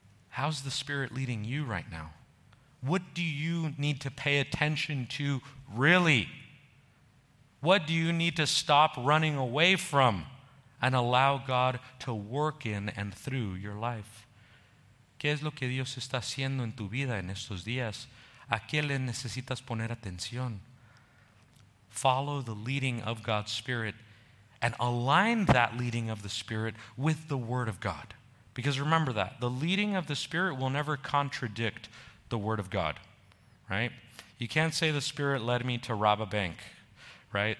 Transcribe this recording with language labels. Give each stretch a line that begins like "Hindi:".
English: How's the Spirit leading you right now? What do you need to pay attention to really? What do you need to stop running away from and allow God to work in and through your life?
Spanish: ¿Qué es lo que Dios está haciendo en tu vida en estos días? ¿A qué le necesitas poner atención?
English: Follow the leading of God's Spirit and align that leading of the Spirit with the Word of God. Because remember that, the leading of the Spirit will never contradict the Word of God, right? You can't say the Spirit led me to rob a bank, right?